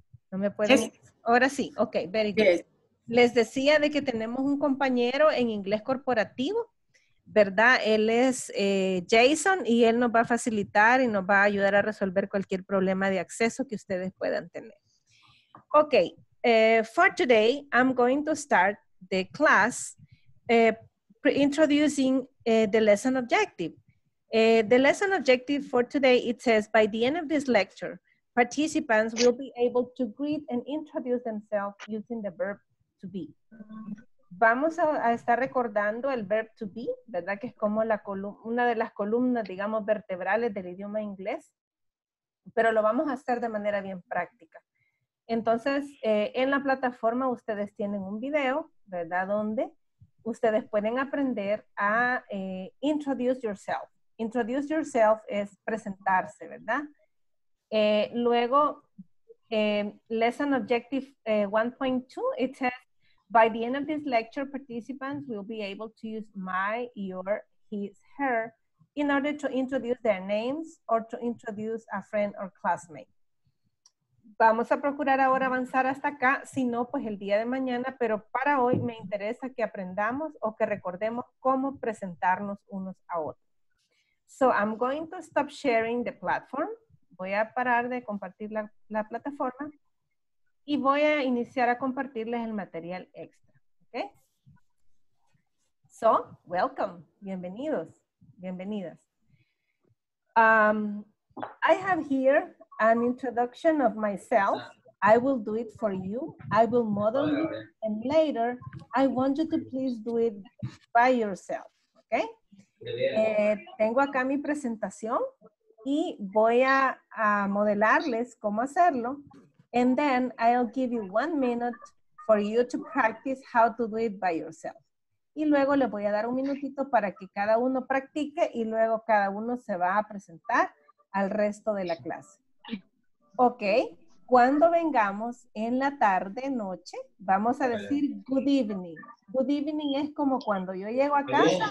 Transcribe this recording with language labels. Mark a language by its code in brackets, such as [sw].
[es] No me pueden. [en] Yes. [es] Ahora sí, [en] ok, very good. Yes. [es] Les decía de que tenemos un compañero en inglés corporativo, ¿verdad? Él es Jason y él nos va a facilitar y nos va a ayudar a resolver cualquier problema de acceso que ustedes puedan tener. [en] Ok, for today, I'm going to start the class introducing the lesson objective. The lesson objective for today, it says, by the end of this lecture, participants will be able to greet and introduce themselves using the verb to be. [es] Vamos a estar recordando el [en] verb to be, [es] ¿verdad? Que es como una de las columnas, digamos, vertebrales del idioma inglés. Pero lo vamos a hacer de manera bien práctica. Entonces, en la plataforma ustedes tienen un video, ¿verdad? Donde ustedes pueden aprender a [en] introduce yourself. Introduce yourself [es] es presentarse, ¿verdad? Luego, [en] lesson objective 1.2, it says, by the end of this lecture, participants will be able to use my, your, his, her, in order to introduce their names or to introduce a friend or classmate. [es] Vamos a procurar ahora avanzar hasta acá, si no, pues el día de mañana, pero para hoy me interesa que aprendamos o que recordemos cómo presentarnos unos a otros. [en] So I'm going to stop sharing the platform. [es] Voy a parar de compartir la plataforma y voy a iniciar a compartirles el material extra. [en] Okay? So, welcome. [es] Bienvenidos. Bienvenidas. [en] I have here an introduction of myself. I will do it for you. I will model it. And later, I want you to please do it by yourself. Okay? [es] Tengo acá mi presentación y voy a modelarles cómo hacerlo. [en] And then I'll give you 1 minute for you to practice how to do it by yourself. [es] Y luego le voy a dar un minutito para que cada uno practique y luego cada uno se va a presentar al resto de la clase. Ok, cuando vengamos en la tarde, noche, vamos a decir [en] good evening. Good evening [es] es como cuando yo llego a casa.